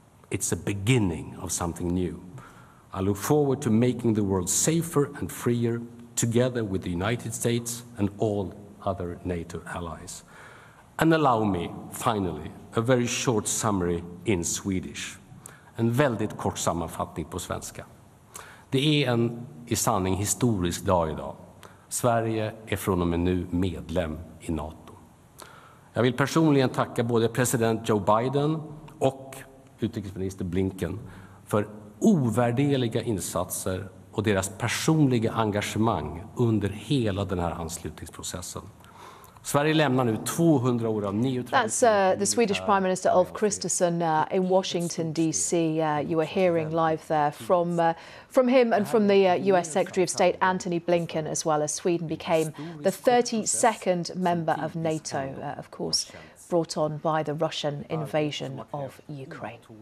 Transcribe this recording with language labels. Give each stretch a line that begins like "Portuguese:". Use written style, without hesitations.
English: It's a beginning of something new. I look forward to making the world safer and freer together with the United States and all other NATO allies. And allow me, finally, a very short summary in Swedish.
Swedish: En väldigt kort sammanfattning på svenska. Det är en i sanning historisk dag idag. Sverige är från och med nu medlem i NATO. Jag vill personligen tacka både president Joe Biden och utrikesminister Blinken för ovärderliga insatser och deras personliga engagemang under hela den här anslutningsprocessen.
English: That's the Swedish Prime Minister Ulf Kristersson in Washington, D.C. You are hearing live there from him and from the U.S. Secretary of State Antony Blinken, as well as Sweden became the 32nd member of NATO, of course, brought on by the Russian invasion of Ukraine.